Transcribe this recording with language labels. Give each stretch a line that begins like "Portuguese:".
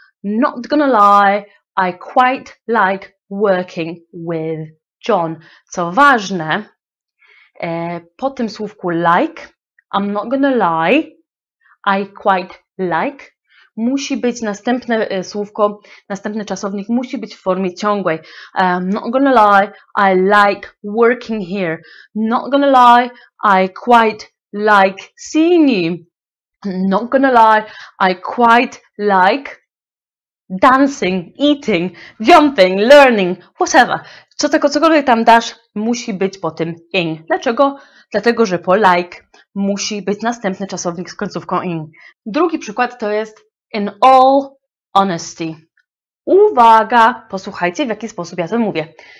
English: Not gonna lie, I quite like working with John.
Polish: Co ważne, po tym słówku
English: like, I'm not gonna lie, I quite like,
Polish: musi być następne słówko, następny czasownik musi być w formie ciągłej.
English: Not gonna lie, I like working here. Not gonna lie, I quite like seeing you. Not gonna lie, I quite like dancing, eating, jumping, learning, whatever.
Polish: Co tego, cokolwiek tam dasz, musi być po tym ing. Dlaczego? Dlatego, że po like musi być następny czasownik z końcówką ing. Drugi przykład to jest in all honesty. Uwaga! Posłuchajcie, w jaki sposób ja to mówię.